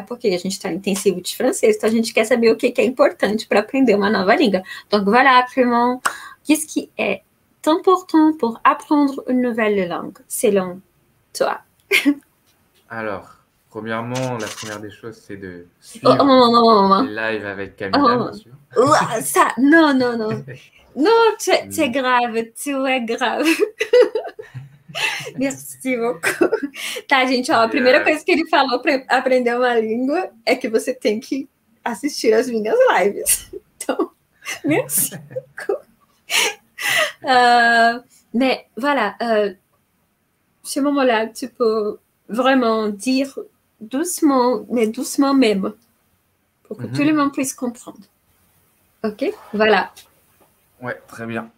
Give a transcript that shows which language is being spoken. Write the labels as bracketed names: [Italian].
[Portuguese] Porque a gente está no intensivo de francês, então a gente quer saber o que é importante para aprender uma nova língua. [French] Donc voilà, Primon. Qu'est-ce qui est important pour apprendre une nouvelle langue, selon toi? Alors, premièrement, la première des choses, c'est de suivre live avec Camilla, bien sûr. Ça, non. Non, tu es grave, Merci beaucoup. [Portuguese] Tá, gente, ó, a primeira coisa que ele falou para aprender uma língua é que você tem que assistir as minhas lives. [French] Então, merci beaucoup. Mais, voilà, ce moment-là, tu peux... vraiment dire doucement, mais doucement même, pour que tout le monde puisse comprendre. Ok, voilà. Ouais, très bien.